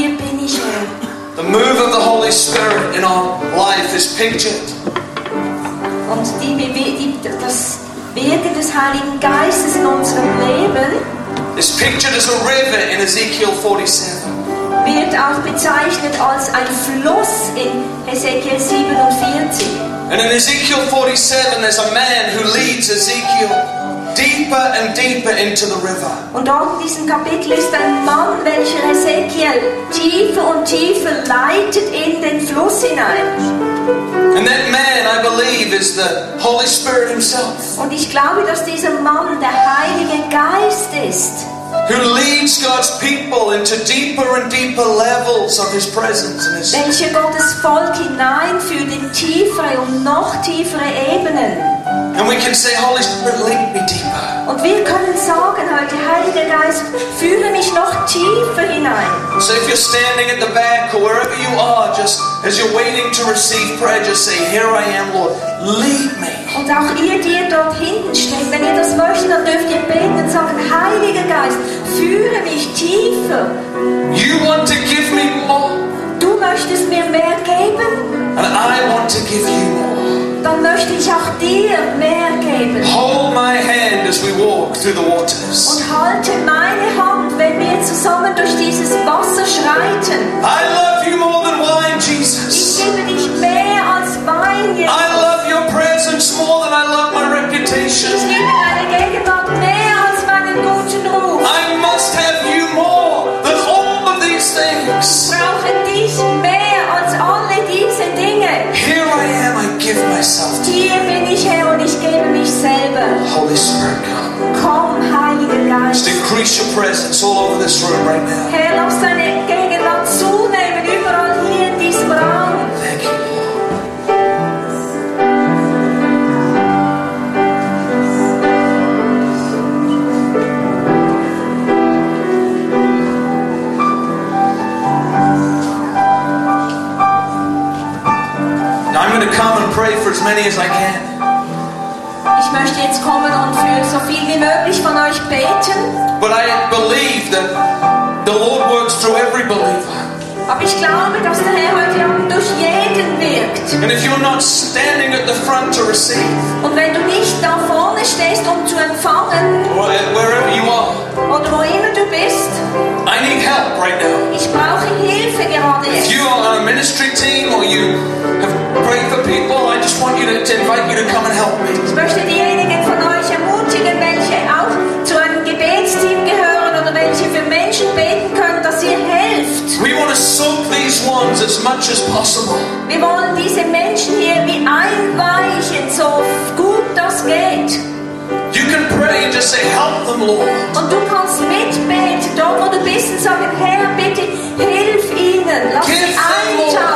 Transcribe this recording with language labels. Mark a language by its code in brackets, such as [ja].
[en] The move of the Holy Spirit in our life is pictured. [de] Und das Wirken des Heiligen Geistes in unserem Leben [en] is pictured as a river in Ezekiel 47. [de] Wird auch bezeichnet als ein Fluss in Ezekiel 47. [en] And in Ezekiel 47 there's a man who leads Ezekiel deeper and deeper into the river. [de] Und auch in diesem Kapitel ist ein Mann, welcher Ezekiel tiefer und tiefer leitet in den Fluss hinein. [en] And that man, I believe, is the Holy Spirit himself. [de] Und ich glaube, dass dieser Mann der Heilige Geist ist. [en] Who leads God's people into deeper and deeper levels of his presence and his spirit. [de] Welcher Gottes Volk hineinführt in tiefere und noch tiefere Ebenen. [en] And we can say, Holy Spirit, lead me deeper. [de] Und wir können sagen heute, Heiliger Geist, führe mich noch tiefer hinein. [en] So if you're standing at the back or wherever you are, just as you're waiting to receive prayer, just say, here I am, Lord, lead me. [de] Und auch ihr, die ihr dort hinten steht, wenn ihr das möchtet, dann dürft ihr beten und sagen, Heiliger Geist, führe mich tiefer. [en] You want to give me more. [de] Du möchtest mir mehr geben. [en] And I want to give you more. [de] Dann möchte ich auch dir mehr geben. [en] Hold my hand as we walk through the waters. [de] Und halte meine Hand, wenn wir zusammen durch dieses Wasser schreiten. [en] I love you more than wine, Jesus. [de] Ich liebe dich mehr als Wein, Jesus. [en] I love your presence more than I love my reputation. [de] Ich liebe deine Gegenwart mehr als meinen guten Ruf. [en] I must have you more than all of these things. [de] Ich brauche dich mehr als alle diese Dinge. [en] Here I am. Give myself to you. [de] Hier bin ich her und ich gebe mich selber. [en] Holy Spirit. increase your presence all over this room right now. [de] Herr, lass deine Gegenwart zunehmen überall hier in diesem Raum. [en] Thank you. Now I'm going to come and pray for as many as I can. [de] Ich möchte jetzt kommen und für so viel wie möglich von euch beten. [en] But I believe that the Lord works through every believer. [de] Aber ich glaube, dass der Herr heute Abend durch jeden wirkt. [en] And if you're not standing at the front to receive, [de] und wenn du nicht da vorne stehst, um zu empfangen, [en] wherever you are, [de] oder wo immer du bist, [en] I need help right now. [de] Ich brauche Hilfe gerade jetzt. [en] If you are on a ministry team or you have prayed for people, I just want you to invite you to come and help me. [de] Ich möchte diejenigen von euch ermutigen, welche auch zu einem Gebetsteam gehören oder welche für Menschen beten können, dass ihr helft. [en] We want to soak these ones as much as possible. [de] Wir wollen diese Menschen hier wie einweichen, so gut das geht. [en] You can pray and just say, help them, Lord. [de] Und du kannst mitbeten, dort wo du bist, und sagen, Herr, bitte, hilf ihnen.